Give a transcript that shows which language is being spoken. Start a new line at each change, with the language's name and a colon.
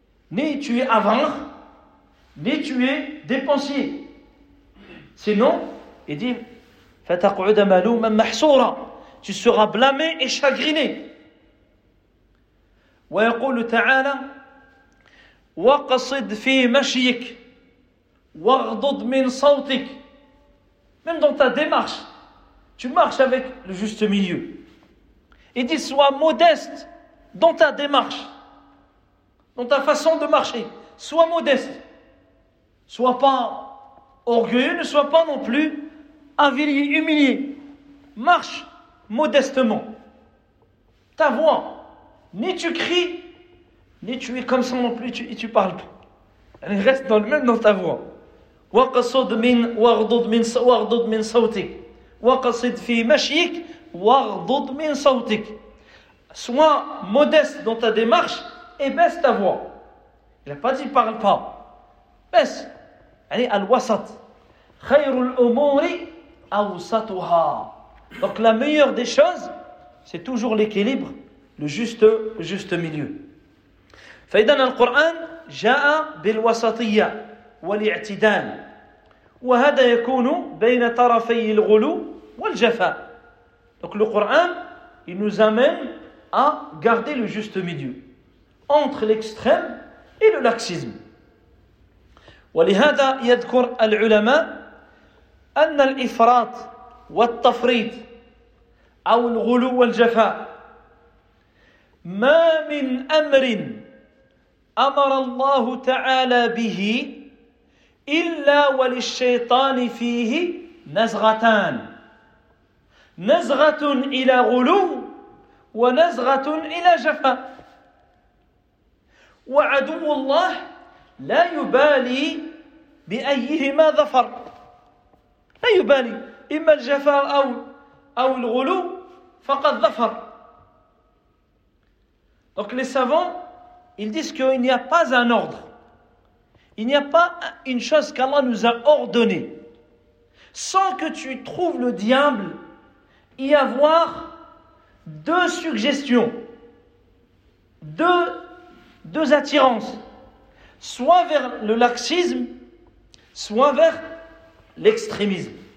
French: Ni tu es avare, ni tu es dépensier. Sinon, il dit,
Arabic: فتقعد ملوما محصورا,
French: tu seras blâmé et chagriné.
Arabic: ويقول تعالى وقصد في مشيك واغضض من صوتك.
French: Même dans ta démarche, tu marches avec le juste milieu. Il dit, sois modeste dans ta démarche, dans ta façon de marcher. Sois modeste. Sois pas orgueilleux, ne sois pas non plus avilié, humilié. Marche modestement. Ta voix, ni tu cries, ni tu es comme ça non plus, tu parles pas. Elle reste dans le même dans ta voix.
Arabic: وَقَصُدْ مِنْ وَغْضُدْ مِنْ وَغْضُدْ مِنْ صَوْتِكَ وَقَصِدْ فِي مَشْيِكَ وَغْضُدْ مِنْ صَوْتِكَ.
French: Sois modeste dans ta démarche et baisse ta voix. Il n'a pas dit parle pas. Baisse. Allez, al-wasat.
Arabic: خَيْرُ الْأُمُورِ أَوْسَطُهَا.
French: Donc la meilleure des choses, c'est toujours l'équilibre, le juste milieu.
Arabic: فَإِذَنَ الْقُرْآنَ جَاءَ بِالْوَسَطِيَّةِ والاعتدال وهذا يكون بين طرفي الغلو والجفاء.
French: Donc le Coran il nous amène à garder le juste milieu entre l'extrême et le laxisme.
Arabic: ولهذا يذكر العلماء ان الافراط والتفريط او الغلو والجفاء ما من امر امر الله تعالى به إلا وللشيطان فيه نزغتان, نزغة إلى غلو ونزغة إلى جفاء, وعدو الله لا يبالي بأيهما ظفر, لا يبالي إما الجفاء أو الغلو فقد ظفر.
French: Donc les savants ils disent qu'il n'y a pas un ordre. Il n'y a pas une chose qu'Allah nous a ordonnée sans que tu trouves le diable y avoir deux suggestions, deux attirances, soit vers le laxisme, soit vers l'extrémisme.